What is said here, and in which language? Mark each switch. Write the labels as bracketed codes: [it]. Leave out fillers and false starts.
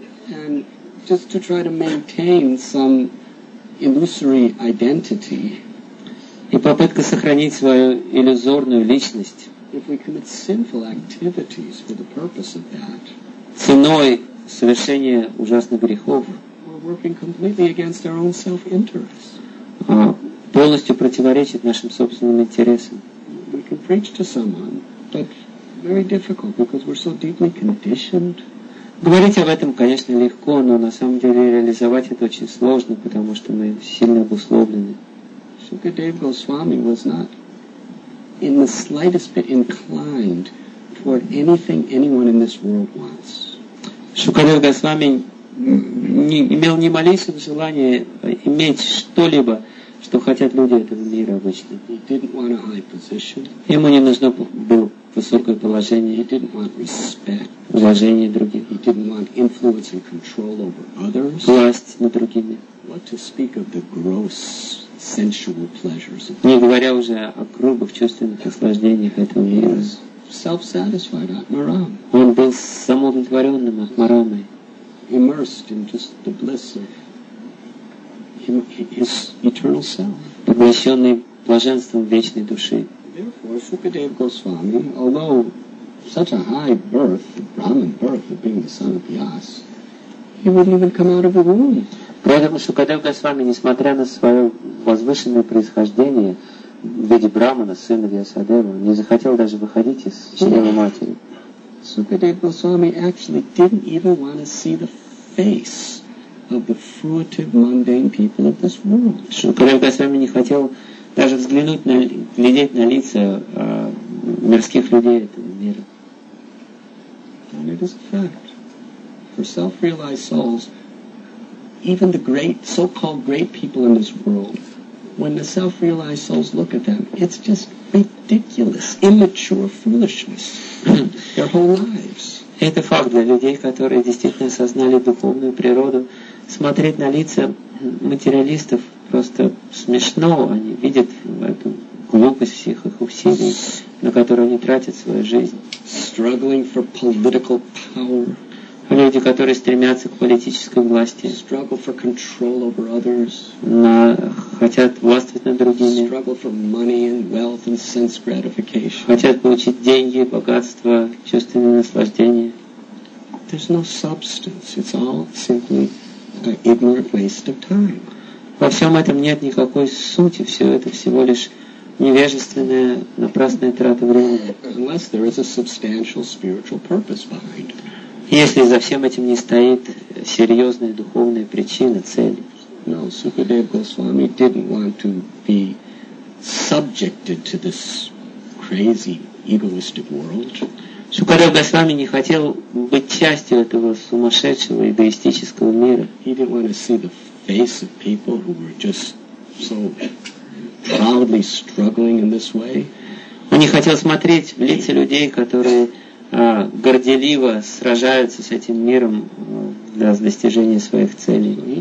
[en] And just to try to maintain some illusory identity. [ru] И попытка сохранить свою иллюзорную личность. [en] If we commit sinful activities for the purpose of that. [ru] Ценой совершения ужасных грехов. [en] We're working completely against our own self-interest. [ru] Полностью противоречит нашим собственным интересам. [en] We can preach to someone, but very difficult because we're so deeply conditioned. [ru] Говорить об этом, конечно, легко, но на самом деле реализовать это очень сложно, потому что мы сильно обусловлены. [en] Шукадев Госвами was not in the slightest bit inclined toward anything anyone in this world wants. [ru] Шукадев Госвами не имел ни малейшего желания иметь что-либо, что хотят люди этого мира обычно. [en] He didn't want a high position. [ru] Ему не нужно было высокое положение. [en] He didn't want respect. [ru] Уважение других. [en] He didn't want influence and control over others. [ru] Власть над другими. [en] What to speak of the gross sensual pleasures of life. [ru] Не говоря уже о грубых чувственных наслаждениях этого мира. [en] He was self-satisfied Atmaram. [ru] Он был самоудовлетворенным Атмарамой. [en] Immersed in just the bliss of his eternal self. [ru] Поглощенный блаженством вечной души. [en] Therefore, Shukadev Goswami, although such a high birth, Brahman birth of being the son of Vyas, he wouldn't even come out of the womb. [ru] Поэтому Шукадев Госвами, несмотря на свое возвышенное происхождение в виде Брамана, сына Вьясадева, не захотел даже выходить из чрева матери. [en] Шукадев Госвами actually didn't even want to see the face of the fruitive mundane people of this world. [ru] Шукадев Госвами не хотел даже взглянуть на, глядеть на лица мирских людей этого мира. [en] And it is a fact. For self-realized souls, even the great, so-called great people in this world, when the self-realized souls look at them, it's just ridiculous, immature foolishness. Their whole lives. [ru] Это факт. Для людей, которые действительно осознали духовную природу, смотреть на лица материалистов просто смешно. Они видят эту глупость всех их усилий, на которые они тратят свою жизнь. [en] Struggling for political power. [ru] Люди, которые стремятся к политической власти. [en] Struggle for control over others. [ru] Хотят властвовать над другими. [en] Struggle for money and wealth and sense gratification. [ru] Хотят получить деньги, богатство, чувственное наслаждение. [en] There's no substance. It's all simply an ignorant waste of time. [ru] Во всем этом нет никакой сути. Все это всего лишь невежественная, напрасная трата времени. [en] Unless there is a substantial spiritual purpose behind it. [ru] Если за всем этим не стоит серьезная духовная причина, цель. [en] No, Sukadev Goswami didn't want to be subjected to this crazy egoistic world. [ru] Sukadev Goswami не хотел быть частью этого сумасшедшего эгоистического мира. [en] He didn't want to see the face of people who were just so proudly struggling in this way. [ru] Он не хотел смотреть в лица людей, которые горделиво сражаются с этим миром для достижения своих целей.